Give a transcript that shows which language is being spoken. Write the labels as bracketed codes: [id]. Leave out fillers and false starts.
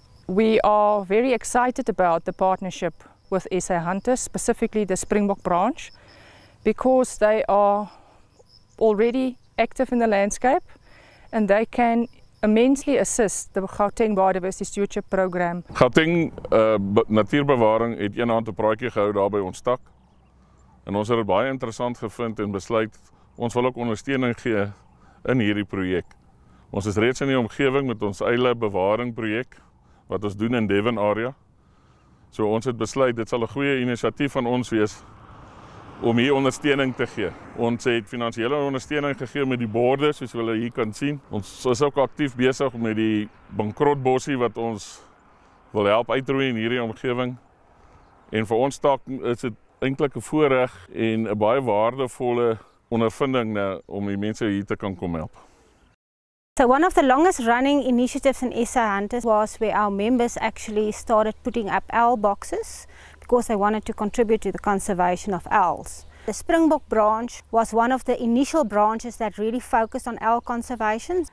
[en] We are very excited about the partnership with SA Hunters, specifically the Springbok branch, because they are already active in the landscape and they can immensely assist the Gauteng Biodiversity Stewardship Program. [af] Gauteng Natuurbewaring het een hand op praatjie gehou daar by ons tak. En ons het dit baie interessant gevind en besluit ons wil ook ondersteuning gee in hierdie projek. Ons is reeds in die omgewing met ons eile bewaring projek wat ons doen in Devon area. So ons het besluit dit sal 'n goeie initiatief van ons wees om hier ondersteuning te gee. Ons het finansiële ondersteuning gegee met die borde soos julle hier kan sien. Ons is ook aktief besig met die bankrotbossie wat ons wil help uitroei in hierdie omgewing. En vir ons taak is dit eintlik 'n voorreg en 'n baie waardevolle ondervinding om die mense hier te kan kom help. [en] So one of the longest running initiatives in SA Hunters was where our members actually started putting up owl boxes because they wanted to contribute to the conservation of owls. The Springbok branch was one of the initial branches that really focused on owl conservation.